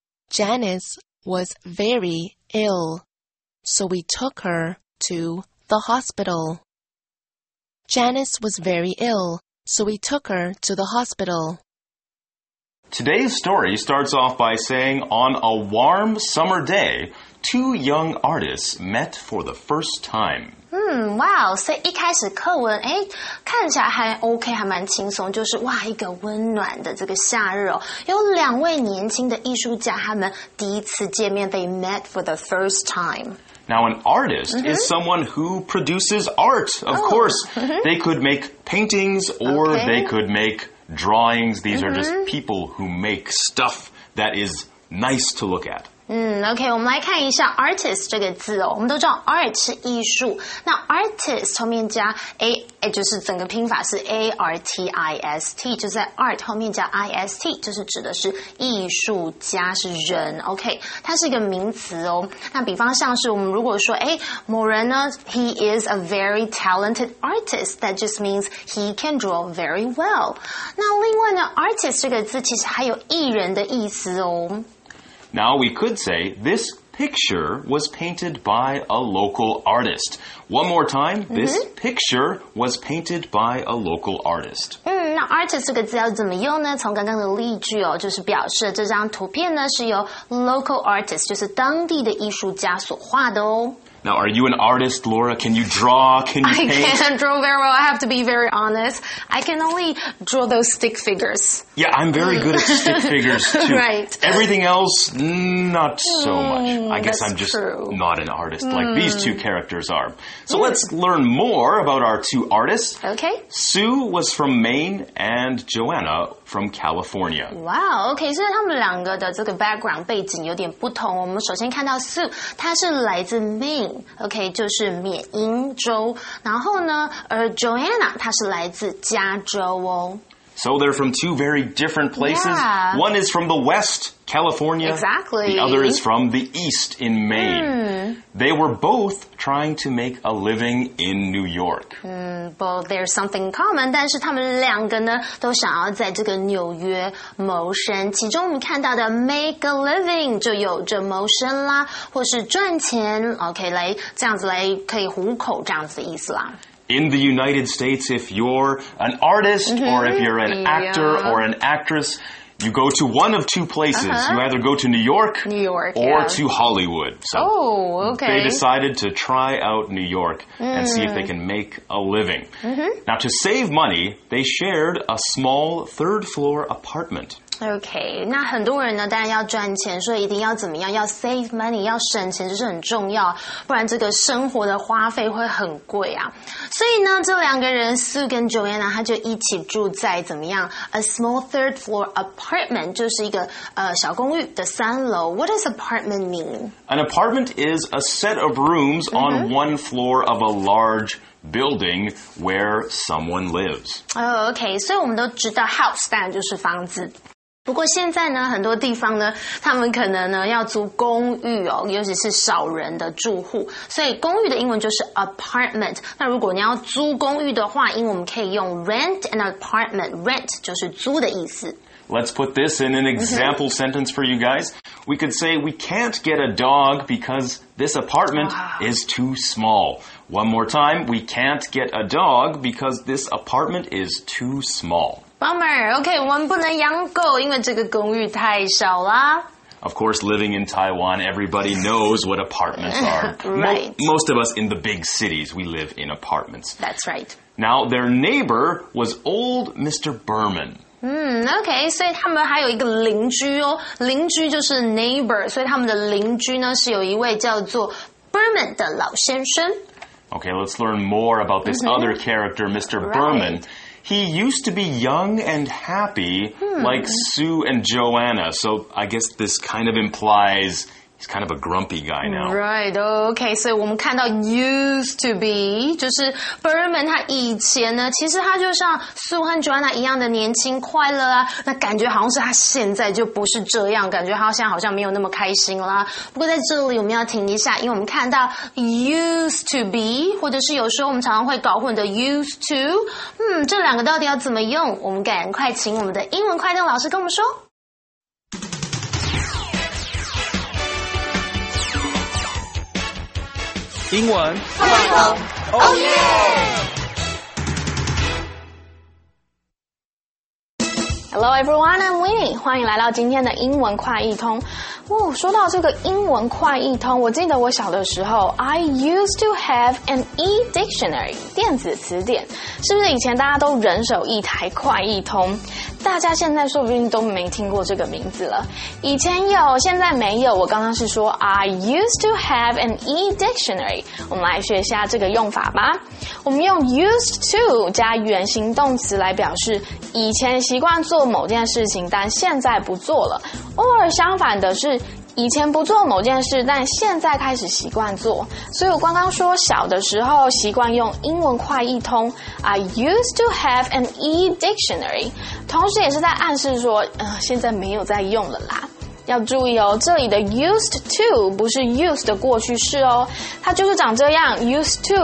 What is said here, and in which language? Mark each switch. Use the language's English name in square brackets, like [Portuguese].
[English] Janice was very ill. So we took her to the hospital. Janice was very ill, so we took her to the hospital. Today's story starts off by saying, on a warm summer day, two young artists met for the first time. [Chinese] Wow, 所以一开始课文看起来还 OK, 还蛮轻松，就是哇一个温暖的这个夏日哦，有两位年轻的艺术家他们第一次见面 [English] they met for the first time. Now, an artist is someone who produces art, of course. They could make paintings or they could make drawings. These are just people who make stuff that is nice to look at. [Chinese] OK, 我们来看一下 artist 这个字哦。我们都知道 art 是艺术。那 artist 后面加 a, 就是整个拼法是 A-R-T-I-S-T, 就在 art 后面加 I-S-T, 就是指的是艺术家是人。 OK, 它是一个名词哦。那比方像是我们如果说某人呢 [English] ,he is a very talented artist, that just means he can draw very well. [Chinese] 那另外呢 ,artist 这个字其实还有艺人的意思哦。 [English] Now, we could say this picture was painted by a local artist. One more time, this picture was painted by a local artist. [Chinese] 那 artist 这个字要怎么用呢？从刚刚的例句哦，就是表示这张图片呢是由 local artist, 就是当地的艺术家所画的哦。 [English] Now, are you an artist, Laura? Can you draw? Can you paint? I can't draw very well. I have to be very honest. I can only draw those stick figures. Yeah, I'm very good at stick figures, too. Right. Everything else, not so much. I guess I'm just not an artist like these two characters are. So let's learn more about our two artists. Okay. Sue was from Maine and Joanna from California. [Chinese] Wow, okay, 所以他们两个的这个 background 背景有点不同。我们首先看到 Sue, 她是来自 Maine, okay, 就是缅因州。然后呢，而 Joanna, 她是来自加州哦。 [English] So they're from two very different places. Yeah. One is from the West, California. Exactly. The other is from the East in Maine. Mm. They were both trying to make a living in New York. Well, there's something in common, [Chinese] 但是他们两个呢都想要在这个纽约谋生。其中我们看到的 make a living 就有着谋生啦，或是赚钱 ，OK， 来这样子来可以糊口这样子的意思啦。 [English] In the United States, if you're an artist or if you're an actor or an actress, you go to one of two places. You either go to New York, or to Hollywood. So they decided to try out New York and see if they can make a living. Now, to save money, they shared a small third-floor apartment. [Chinese] Okay, 那很多人呢当然要赚钱所以一定要怎么样要 [English] save money, [Chinese] 要省钱这是很重要不然这个生活的花费会很贵啊。所以呢这两个人 Sue 跟 Joanna 他就一起住在怎么样 [English] a small third floor apartment, [Chinese] 就是一个小公寓的三楼。 [English] What does apartment mean? An apartment is a set of rooms on one floor of a large building where someone lives. [Chinese] Oh, okay, 所以我们都知道 house 当然就是房子。不过现在呢很多地方呢他们可能呢要租公寓哦尤其是少人的住户。所以公寓的英文就是 apartment。那如果你要租公寓的话因为我们可以用 [English] rent an apartment。 [Chinese] rent 就是租的意思。 [English] Let's put this in an example sentence for you guys. We could say we can't get a dog because this apartment is too small. One more time, we can't get a dog because this apartment is too small. [Chinese] Bummer, okay, 我们不能养狗因为这个公寓太小啦。 [English] Of course, living in Taiwan, everybody knows what apartments are. Right. Most of us in the big cities, we live in apartments. That's right. Now, their neighbor was old Mr. Berman. [Chinese] Okay, 所以他们还有一个邻居哦。邻居就是 neighbor, 所以他们的邻居呢是有一位叫做 Berman 的老先生。 [English] Okay, let's learn more about this other character, Mr. Berman. Right. He used to be young and happy, like Sue and Joanna. So I guess this kind of implies he's kind of a grumpy guy now. Right, okay. [Chinese] So 我们看到 used to be, 就是 Berman 他以前呢，其实他就像 Sue 和 Joanna 一样的年轻快乐啊。那感觉好像是他现在就不是这样，感觉他现在好像没有那么开心啦。不过在这里我们要停一下，因为我们看到 used to be, 或者是有时候我们常常会搞混的 used to, 这两个到底要怎么用？我们赶快请我们的英文快灯老师跟我们说。英文快问快答 ，Oh yeah！ [English] Hello everyone, I'm Winnie. [Chinese] 欢迎来到今天的英文快译通。哦，说到这个英文快译通，我记得我小的时候 ， [English] I used to have an e-dictionary [Chinese] 电子词典。是不是以前大家都人手一台快译通？大家现在说不定都没听过这个名字了。以前有，现在没有。我刚刚是说 [English] I used to have an e-dictionary。 [Chinese] 我们来学一下这个用法吧。我们用 used to 加原形动词来表示以前习惯做某件事情但现在不做了 or 相反的是以前不做某件事但现在开始习惯做所以我刚刚说小的时候习惯用英文快译通 [English] I used to have an e-dictionary [Chinese] 同时也是在暗示说现在没有在用了啦要注意哦这里的 used to 不是 used 的过去式哦它就是长这样 used